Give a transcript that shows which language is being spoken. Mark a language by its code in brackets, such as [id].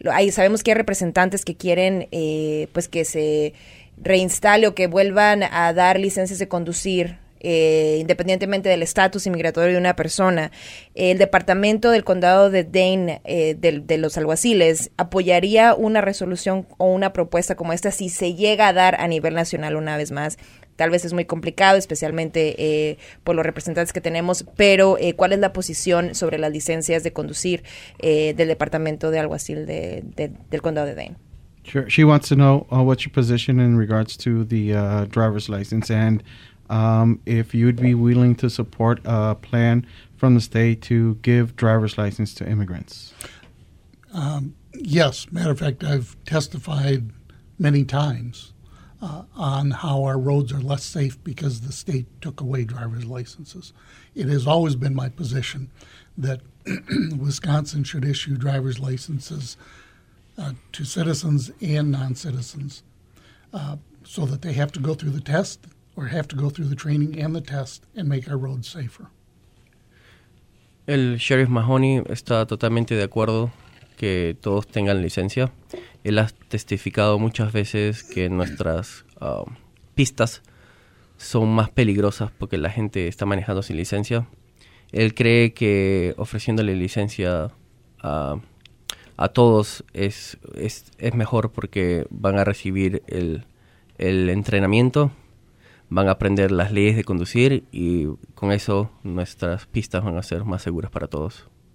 [es] sabemos que hay representantes que quieren pues que se reinstale o que vuelvan a dar licencias de conducir, independientemente del estatus inmigratorio de una persona, el departamento del condado de Dane, de los alguaciles, ¿apoyaría una resolución o una propuesta como esta si se llega a dar a nivel nacional una vez más? Tal vez es muy complicado, especialmente por los representantes que tenemos, pero ¿cuál es la posición sobre las licencias de conducir del departamento de alguacil del condado de Dane? [en] Sure. She wants to know what's your position in regards to the driver's license and if you'd be willing to support a plan from the state to give driver's license to immigrants. Yes. Matter of fact, I've testified many times on how our roads are less safe because the state took away driver's licenses. It has always been my position that Wisconsin should issue driver's licenses to citizens and non-citizens so that they have to go through the test or have to go through the training and the test and make our roads safer. [es] El Sheriff Mahoney está totalmente de acuerdo que todos tengan licencia. Él ha testificado muchas veces que nuestras pistas son más peligrosas porque la gente está manejando sin licencia. Él cree que ofreciéndole licencia a todos es mejor porque van a recibir el entrenamiento, van a aprender las leyes de conducir y con eso nuestras pistas van a ser más seguras para todos.